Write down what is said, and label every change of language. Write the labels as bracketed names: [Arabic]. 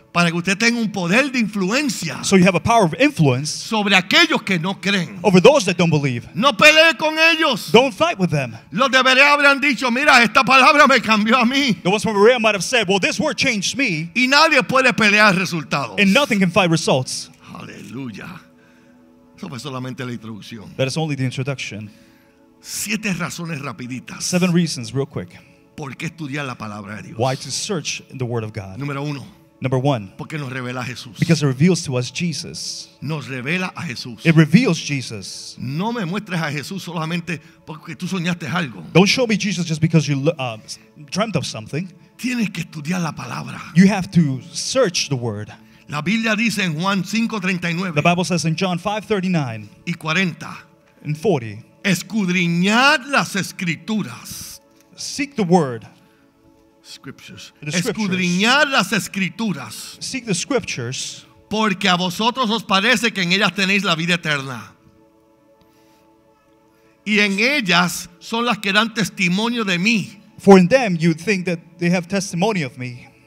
[Spanish] Para que usted tenga un poder de influencia. [English] So you have a power of influence. [Spanish] Sobre aquellos que no creen. [English] Over those that don't believe. [Spanish] No pelee con ellos. [English] Don't fight with them. [Spanish] Los de Berea habrán dicho, mira, esta palabra me cambió a mí. [English] The ones from Berea might have said, well, this word changed me. [Spanish] Y nadie puede pelear resultados. [English] And nothing can fight results. [Spanish] Aleluya. Eso fue solamente la introducción. [English] That is only the introduction. [Spanish] Siete razones rapiditas. [English] Seven reasons, real quick. [Spanish] ¿Por qué estudiar la palabra de Dios? [English] Why to search the word of God. [Spanish] Número uno. [English] Number one. [Spanish] Porque nos revela a Jesús. [English] Because it reveals to us Jesus. [Spanish] Nos revela a Jesús. [English] It reveals Jesus. [Spanish] No me muestres a Jesús solamente porque tú soñaste algo. [English] Don't show me Jesus just because you dreamt of something. [Spanish] Tienes que estudiar la palabra. [English] You have to search the word. [Spanish] La Biblia dice en Juan 5:39. [English] The Bible says in John 5:39. [Spanish] Y 40. [English] And 40. [Spanish] Escudriñad las escrituras. [English] Seek the word. Scriptures. The [Spanish] escudriñad [English] scriptures. [Spanish] Las escrituras. [English] Seek the scriptures. [Spanish] Porque a vosotros os parece que en ellas tenéis la vida eterna. Y en ellas son las que dan testimonio de mí. [English] For in them you think that they have testimony of me.